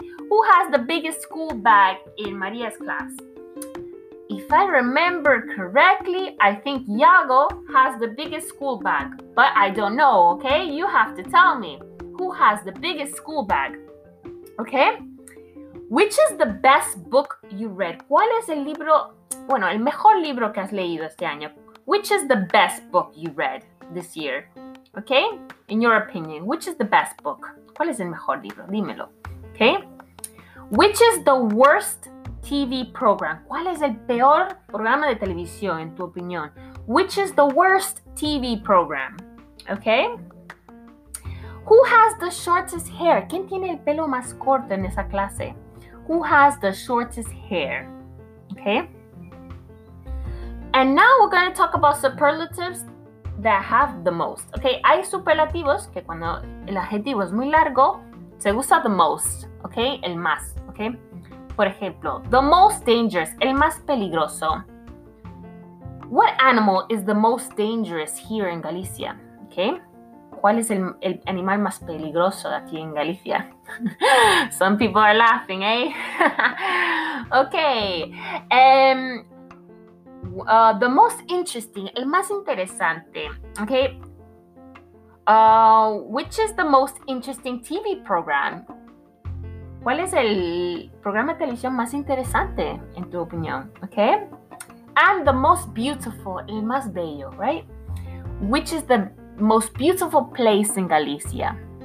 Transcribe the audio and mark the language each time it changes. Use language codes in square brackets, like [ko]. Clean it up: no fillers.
[en] Who has the biggest school bag in Maria's class? If I remember correctly, I think Yago has the biggest school bag, but I don't know, okay? You have to tell me who has the biggest school bag, okay? Which is the best book you read? [es] ¿Cuál es el libro, bueno, el mejor libro que has leído este año? [en] Which is the best book you read this year, okay? In your opinion, which is the best book? [es] ¿Cuál es el mejor libro? Dímelo, okay? [en] Which is the worst TV program? [es] ¿Cuál es el peor programa de televisión, en tu opinión? [en] Which is the worst TV program? Okay? Who has the shortest hair? [es] ¿Quién tiene el pelo más corto en esa clase? [en] Who has the shortest hair? Okay? And now we're going to talk about superlatives that have the most. [es] Okay? Hay superlativos que cuando el adjetivo es muy largo, se usa [en] the most. [es] Okay? El más. Okay? [en] For example, the most dangerous, [es] el más peligroso. [en] What animal is the most dangerous here in Galicia? Okay. [es] ¿Cuál es el animal más peligroso aquí en Galicia? [en] Some people are laughing, eh? Okay. The most interesting, [es] el más interesante. [en] Okay. Which is the most interesting TV program? [es] ¿Cuál es el programa de televisión más interesante, en tu opinión? [en] Okay? And the most beautiful, [es] el más bello, [en] right? Which is the most beautiful place in Galicia?